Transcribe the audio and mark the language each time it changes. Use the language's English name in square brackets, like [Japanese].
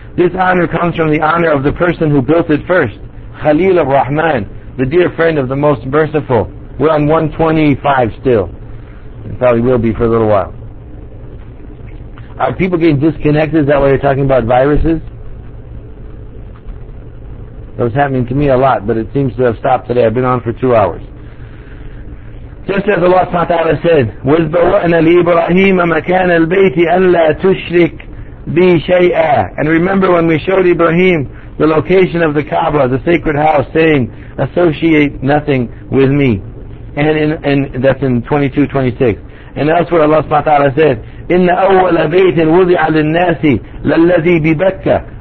[English] This honor comes from the honor of the person who built it first, Khalil of Rahman, the dear friend of the Most Merciful. We're on 125 still. It probably will be for a little while. Are people getting disconnected? Is that why you're talking about viruses? That was happening to me a lot, but it seems to have stopped today. I've been on for 2 hours. Just as Allah subhanahu wa ta'ala said, [Arabic] وَذْبَوَأْنَا لِإِبْرَاهِيمَ مَكَانَ الْبَيْتِ أَلَّا تُشْرِكْ بِي شَيْئًا. [English] And remember when we showed Ibrahim the location of the Kaaba, the sacred house, saying, associate nothing with me. And that's in 22:26. And elsewhere Allah subhanahu wa ta'ala said, [Arabic] إِنَّ أَوَّلَ بَيْتٍ وُضِعَ لِلنَّاسِ لَلَّذِي بِبَكَّةٍ.